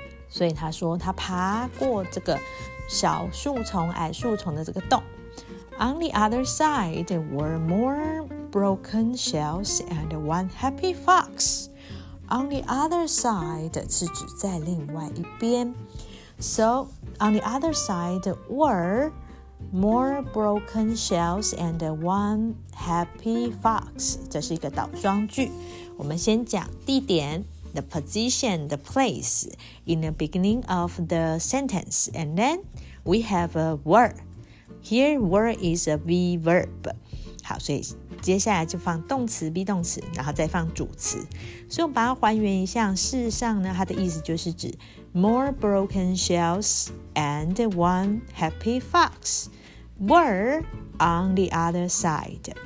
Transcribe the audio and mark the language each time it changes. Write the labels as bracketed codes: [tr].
[zh] 所以他说他爬过这个小树丛、矮树丛的这个洞。 [en] On the other side there were more broken shells and one happy fox. On the other side [zh] 是指在另外一边。 [en] So on the other side were more broken shells and one happy fox. [zh] 这是一个倒装句。我们先讲地点， [en] the position, the place in the beginning of the sentence, and then we have a word. Here, word is a V verb. [zh] 好，所以接下来就放动词 be 动词，然后再放主词。所以我把它还原一下，事实上呢，它的意思就是指 [en] more broken shells and one happy fox were on the other side.